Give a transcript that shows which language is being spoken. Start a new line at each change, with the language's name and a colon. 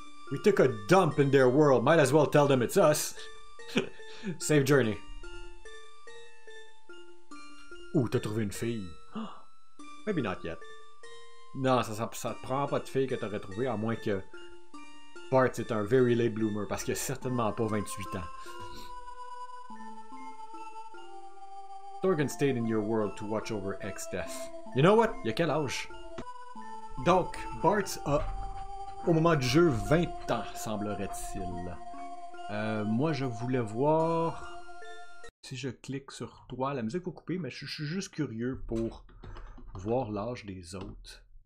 English: We took a dump in their world. Might as well tell them it's us. Safe journey.
French: Ooh, t'as trouvé une fille.
English: Maybe not yet.
French: Non, ça te prend pas de fille que t'aurais trouvé, à moins que Bart est un
English: very late bloomer,
French: parce qu'il a certainement pas 28 ans.
English: Thorgan stayed in your world to watch over X-Death. You know what?
French: Il a quel âge? Donc, Bart a, au moment du jeu, 20 ans, semblerait-il. Moi, je voulais voir... Si je clique sur toi, la musique va couper, mais je suis juste curieux pour voir l'âge des autres.